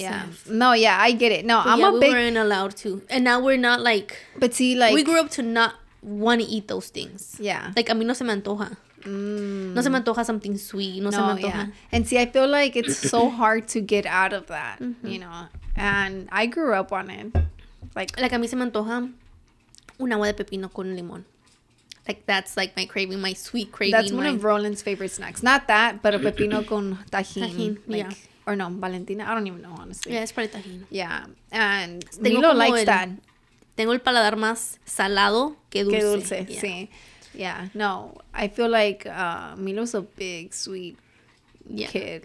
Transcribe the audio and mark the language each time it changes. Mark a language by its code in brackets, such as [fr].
[en] Yeah. No, yeah, I get it. No, but I'm we weren't allowed to. And now we're not like. But see, like. We grew up to not want to eat those things. Yeah. [es] Like, a mí no se me antoja. No se me antoja [en] something sweet. [es] No se me antoja. Yeah. [en] And see, I feel like it's so hard to get out of that, mm-hmm. you know. And I grew up on it. Like [es] a mí se me antoja un agua de pepino con limón. [en] Like, that's, like, my craving, my sweet craving. That's one of Roland's favorite snacks. Not that, but a [es] pepino con tajín. [en] Tajín, like, yeah. Or no, Valentina. I don't even know, honestly. Yeah, it's probably tajín. Yeah. And Milo likes that. [es] Tengo el paladar más salado que dulce. Que dulce, [en] yeah. Sí. Yeah. No, I feel like Milo's a big, sweet kid.